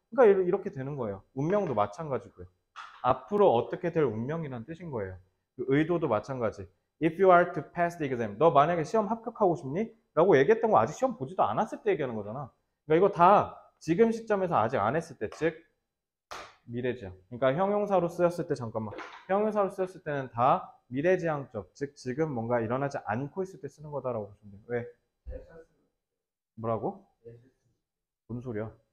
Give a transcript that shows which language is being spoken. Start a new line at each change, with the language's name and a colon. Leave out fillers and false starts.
Korean: 그러니까 이렇게 되는 거예요. 운명도 마찬가지고요. 앞으로 어떻게 될 운명이란 뜻인 거예요. 의도도 마찬가지.
English: If you are to pass the exam,
Korean: 너 만약에 시험 합격하고 싶니? 라고 얘기했던 거 아직 시험 보지도 않았을 때 얘기하는 거잖아. 그러니까 이거 다 지금 시점에서 아직 안 했을 때, 즉 미래지향. 그러니까 형용사로 쓰였을 때, 잠깐만. 형용사로 쓰였을 때는 다 미래지향적, 즉 지금 뭔가 일어나지 않고 있을 때 쓰는 거다라고 보시면 돼요. 왜? 뭐라고? 뭔 소리야?